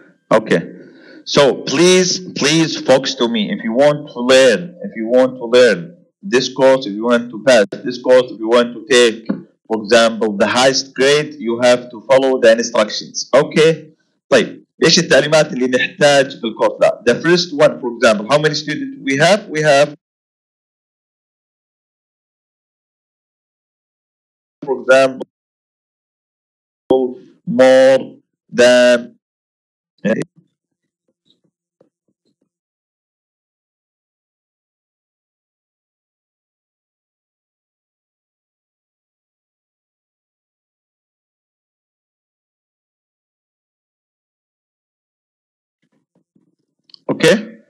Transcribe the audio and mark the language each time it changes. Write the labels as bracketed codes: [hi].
[en] Okay. So please focus to me. If you want to learn this course, if you want to pass this course, if you want to take, for example, the highest grade, you have to follow the instructions. Okay. [ar] طيب ايش التعليمات اللي نحتاج في الكورس ده? [en] The first one, for example, how many students we have? We have, for example, more than okay.